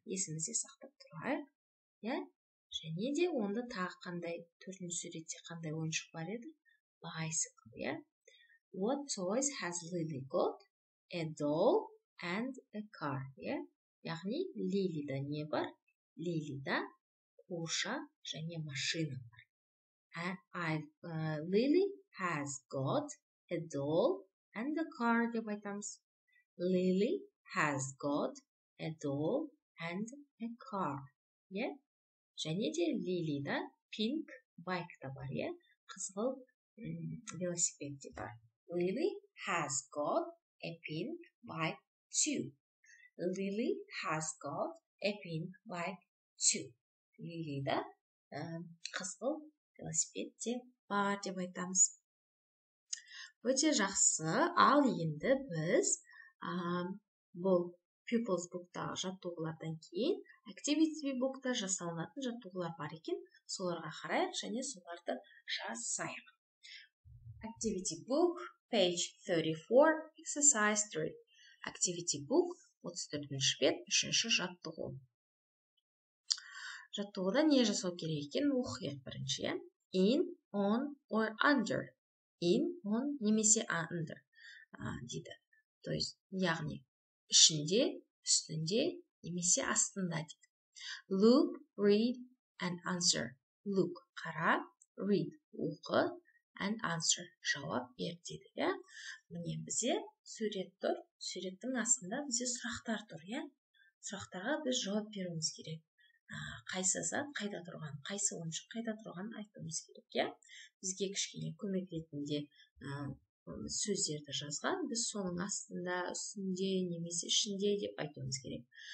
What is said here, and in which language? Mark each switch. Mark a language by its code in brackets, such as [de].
[kk] Есімізде сақтап тұрайық, yeah? Және де онда тағы қандай, төртінші суретте қандай ойыншық бар еді? [en] Bicycle, yeah? What toys has Lily got? A doll and a car, yeah? [kk] Яғни, Лилида не бар? Лилида қуыршақ және машина бар. [en] Lily has got a doll and the car [kk] деп айтамыз. [en] Lily has got a doll and a car. Yeah? [kk] Және де Лилида [en] pink bike [kk] да бар, иә? Қызғыл велосипед де бар. [en] Lily has got a pink bike too. Lily has got a pink bike too. [kk] Лилида қызғыл велосипед де бар деп айтамыз. Өте жақсы, ал енді біз бұл pupils book-та жаттығылардан кейін activity book-та жасалынатын жаттығылар бар екен. Соларға қарайық және соларды жасайық. [en] Activity book, page 34, exercise 3. [kk] Activity book, 34-ші бет, 3-ші жаттығу. Жаттығыда не жасау керек екен? Оқиық бірінші. [en] In, on, or under. In, on, немесе under. [kk] Дейді. [ru] То есть, [kk] яғни, ішінде, үстінде, немесе астында дейді. [en] Look, read, and answer. Look, қара, read, оқы, and answer. [kk] Жауап бер дейді. Е? Міне бізе сурет тұр. Суреттің астында бізе сұрақтар тұр. Е? Сұрақтарға біз жауап беруіміз керек. Қайсы зат қайда тұрған, қайсы ойыншық қайда тұрған айтуымыз керек. Е? Бізге кішкене көмек ретінде сөздерді жазған, біз соның астында, үстінде, немесе ішінде деп айтуымыз керек.